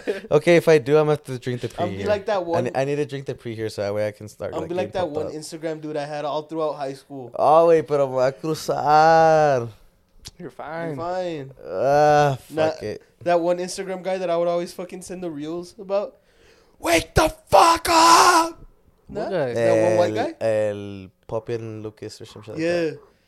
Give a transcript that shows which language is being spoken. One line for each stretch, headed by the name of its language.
English: Okay, if I do, I'm going to have to drink the pre. I'll be like that one. I need to drink the pre here so that way I can start. I'll be like that one up. Instagram dude I had all throughout high school. Oh, wait,
Spanish: pero voy a cruzar.
English: You're fine. Fuck it. That one Instagram guy that I would always fucking send the reels about. Wake the fuck up! That one white guy? El Popin Lucas or something like that.